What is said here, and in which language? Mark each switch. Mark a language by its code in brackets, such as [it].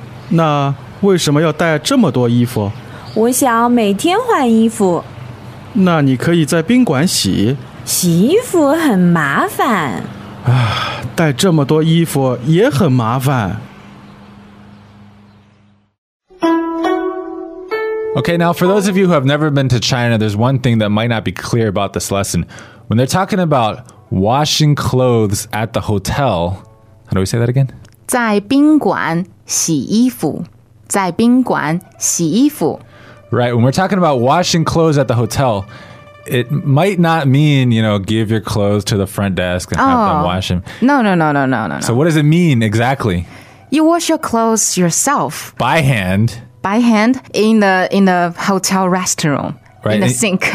[zh] 那为什么要带这么多衣服？我想每天换衣服。那你可以在宾馆洗？洗衣服很麻烦。带这么多衣服也很麻烦。 [en] Okay, now for those of you who have never been to China, there's one thing that might not be clear about this lesson. When they're talking about washing clothes at the hotel, how do we say that again? [zh] 在宾馆洗衣服。在宾馆洗衣服。 [en] Right, when we're talking about washing clothes at the hotel, it might not mean, you know, give your clothes to the front desk and have them wash them. No. So what does it mean exactly? You wash your clothes yourself. By hand. By hand in the hotel restroom. Right. In the sink.